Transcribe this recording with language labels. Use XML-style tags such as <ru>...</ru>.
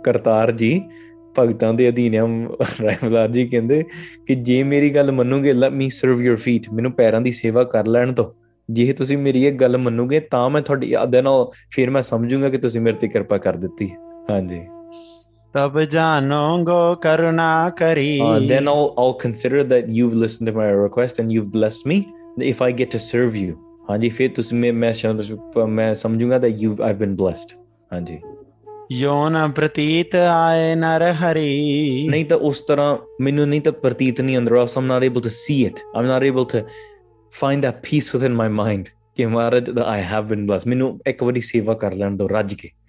<pa>ਕਰਤਾਰ ਜੀ ਭਗਤਾਂ ਦੇ ਅਧੀਨ ਆ, ਰਾਏ ਬੁਲਾਰ ਜੀ ਕਹਿੰਦੇ ਕਿ ਜੇ ਮੇਰੀ ਗੱਲ ਮੰਨੋਗੇ,</pa> <en>let me serve your feet,</en> <pa>ਮੈਨੂੰ ਪੈਰਾਂ ਦੀ ਸੇਵਾ ਕਰ ਲੈਣ ਤੋਂ, ਜੇ ਤੁਸੀਂ ਮੇਰੀ ਇਹ ਗੱਲ ਮੰਨੋਗੇ ਤਾਂ ਮੈਂ ਤੁਹਾਡੀ ਯਾਦਾਂ ਨਾਲ ਫਿਰ ਮੈਂ ਸਮਝੂਗਾ ਕਿ ਤੁਸੀਂ ਮੇਰੇ ਤੇ ਕਿਰਪਾ ਕਰ ਦਿੱਤੀ। ਹਾਂਜੀ ਤਬ ਜਾਣੋਗੋ ਕਰੁਣਾ ਕਰੀ</pa> <en>then I'll consider that you've listened to my request and you've blessed me if I get to serve you.</en> <pa>ਹਾਂਜੀ ਫਿਰ ਤੁਸੀਂ, ਮੈਂ ਸਮਝੂਗਾ</pa> <en>that you've I've been blessed.</en> <pa>ਹਾਂਜੀ ਯੋ ਨ ਪ੍ਰਤੀਤ ਆਏ ਨਰ ਹਰੀ, ਨਹੀਂ ਤਾਂ ਉਸ ਤਰ੍ਹਾਂ ਮੈਨੂੰ ਨਹੀਂ ਤਾਂ ਪ੍ਰਤੀਤ ਨਹੀਂ ਅੰਦਰ,</pa> <en>I am not able to see it, I am not able to find that peace within my mind</en> <pa>ਕਿ ਮਹਾਰਾਜ</pa> <en>I have been blessed,</en> <pa>ਮੈਨੂੰ ਇੱਕ ਵਾਰੀ ਸੇਵਾ ਕਰ ਲੈਣ ਦੋ ਰੱਜ ਕੇ।</pa>